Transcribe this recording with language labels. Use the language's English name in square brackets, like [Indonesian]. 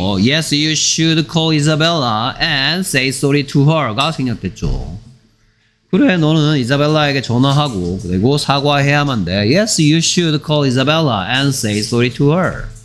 [English] Yes, you should call Isabella and say sorry to her가 [Korean] 생략됐죠. 그래, 너는 이자벨라에게 전화하고 그리고 사과해야만 돼. [English] Yes, you should call Isabella and say sorry to her.